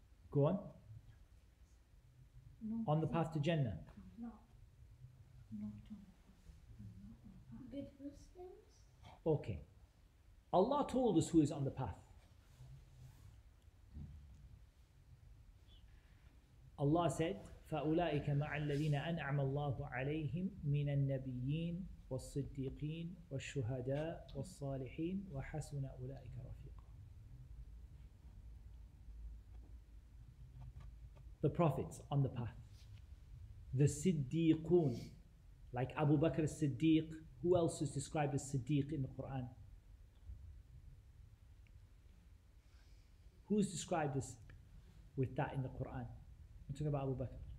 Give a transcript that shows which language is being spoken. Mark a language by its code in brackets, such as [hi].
[en] Go on. No. On the path to Jannah. No. Good Muslims. Okay. Allah told us who is on the path. [ar] Allah said, فَأُولَٰئِكَ مَعَ الَّذِينَ أَنْعَمَ اللَّهُ عَلَيْهِمْ مِنَ النَّبِيِّينَ وَالصِّدِّيقِينَ وَالشُّهَدَاءِ وَالصَّالِحِينَ وَحَسُنَ أُولَٰئِكَ رَفِيقًا. [en] The prophets on the path. The Siddiqun, like Abu Bakr al-Siddiq. Who else is described as Siddiq in the Quran? Who is described as with that in the Quran? I'm talking about Abu Bakr.